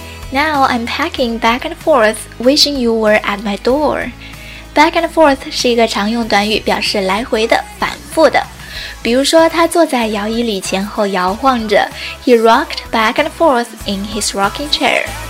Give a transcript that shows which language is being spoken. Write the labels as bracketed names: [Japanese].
[English] Now I'm packing back and forth, wishing you were at my door. [Chinese] Back and forth 是一个常用短语，表示来回的、反复的。比如说，他坐在摇椅里前后摇晃着。 [English] He rocked back and forth in his rocking chair.